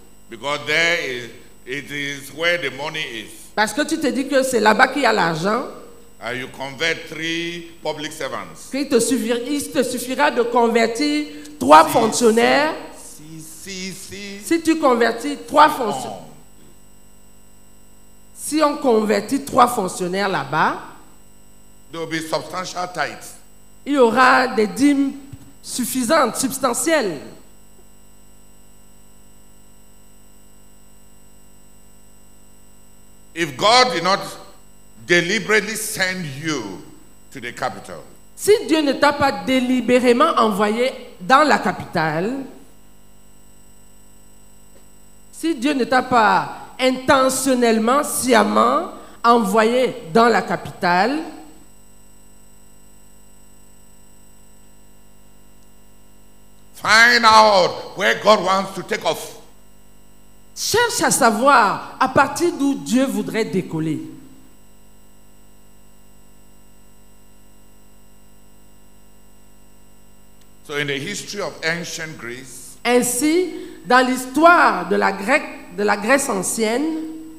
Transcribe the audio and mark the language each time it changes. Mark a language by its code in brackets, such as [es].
[en] Because there is, it is where the money is. [fr] Parce que tu te dis que c'est là-bas qu'il y a l'argent. [en] You convert three public servants. [fr] Il te suffira de convertir trois six, fonctionnaires. Si tu convertis trois fonctionnaires. Si on convertit trois fonctionnaires là-bas, [en] there will be substantial tithes. [fr] Il y aura des dîmes suffisantes, substantielles. [en] If God did not deliberately send you to the capital. [fr] Si Dieu ne t'a pas délibérément envoyé dans la capitale, si Dieu ne t'a pas intentionnellement, sciemment envoyé dans la capitale, [en] find out where God wants to take off. [fr] Cherche à savoir à partir d'où Dieu voudrait décoller. [en] So in the history of ancient Greece, [fr] ainsi, dans l'histoire de la Grèce ancienne,